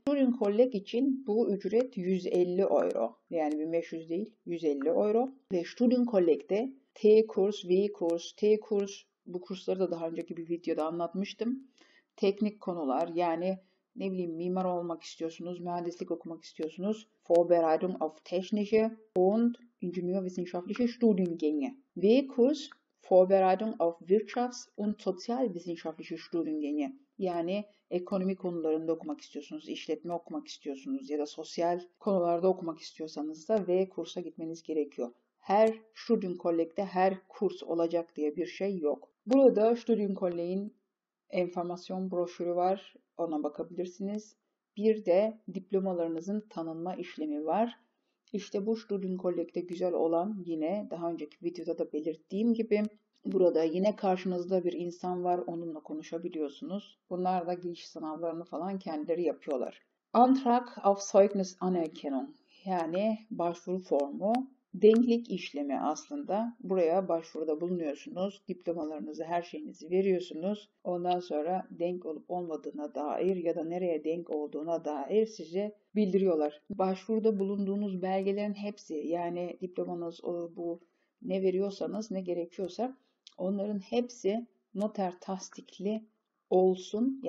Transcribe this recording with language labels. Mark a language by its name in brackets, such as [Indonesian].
[Turkish] Studienkolleg için bu ücret 150 euro. Yani 1500 değil, 150 euro. Ve Studienkolleg'de T kurs, bu kursları da daha önceki bir videoda anlatmıştım. Teknik konular, yani ne bileyim mimar olmak istiyorsunuz, mühendislik okumak istiyorsunuz. [German] Vorbereitung auf technische und ingenieurwissenschaftliche Studiengänge. W-Kurs, Vorbereitung auf Wirtschafts- und Sozialwissenschaftliche Studiengänge. [Turkish] Yani ekonomi konularında okumak istiyorsunuz, işletme okumak istiyorsunuz ya da sosyal konularda okumak istiyorsanız da W-Kurs'a gitmeniz gerekiyor. Her Studienkolleg'de her kurs olacak diye bir şey yok. Burada Studienkolleg'in enformasyon broşürü var. Ona bakabilirsiniz. Bir de diplomalarınızın tanınma işlemi var. İşte bu Studienkolleg'de güzel olan yine daha önceki videoda da belirttiğim gibi burada yine karşınızda bir insan var. Onunla konuşabiliyorsunuz. Bunlar da giriş sınavlarını falan kendileri yapıyorlar. [German] Antrag auf Zeugnisanerkennung, [Turkish] yani başvuru formu. Denklik işlemi aslında. Buraya başvuruda bulunuyorsunuz. Diplomalarınızı, her şeyinizi veriyorsunuz. Ondan sonra denk olup olmadığına dair ya da nereye denk olduğuna dair size bildiriyorlar. Başvuruda bulunduğunuz belgelerin hepsi, yani diplomanız, bu ne veriyorsanız, ne gerekiyorsa onların hepsi noter tasdikli olsun.